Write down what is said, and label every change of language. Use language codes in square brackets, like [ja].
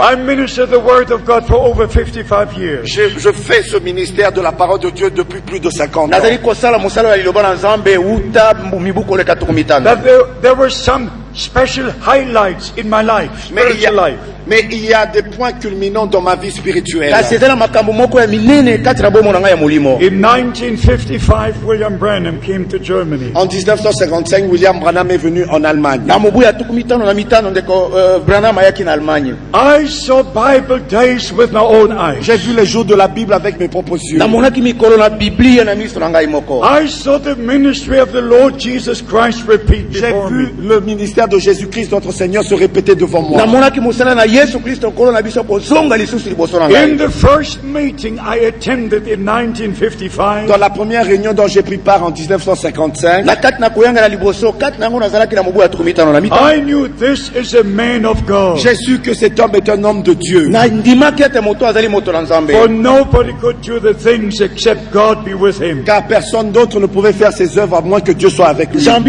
[en] I minister the word of God for over 55 years. [fr] Je fais ce ministère de la parole de Dieu depuis plus de 50 ans. [en] But there were some special highlights in my life, spiritual life. [fr] Mais il y a des points culminants dans ma vie spirituelle. En 1955, [en] William Branham came to Germany. [fr] En 1955, William Branham est venu en Allemagne. [en] I saw Bible days with my own eyes. [fr] J'ai vu les jours de la Bible avec mes propres yeux. [en] I saw the ministry of the Lord Jesus Christ repeat before me. [fr] J'ai vu le ministère de Jésus-Christ notre Seigneur se répéter devant moi. [en] In the first meeting I attended in 1955, [fr] dans la première réunion dont j'ai pris part en 1955, [en] I knew this is a man of God. [fr] J'ai su que cet homme est un homme de Dieu. [en] For nobody could do the things except God be with him. [fr] Car personne d'autre ne pouvait faire ses œuvres à moins que Dieu soit avec lui.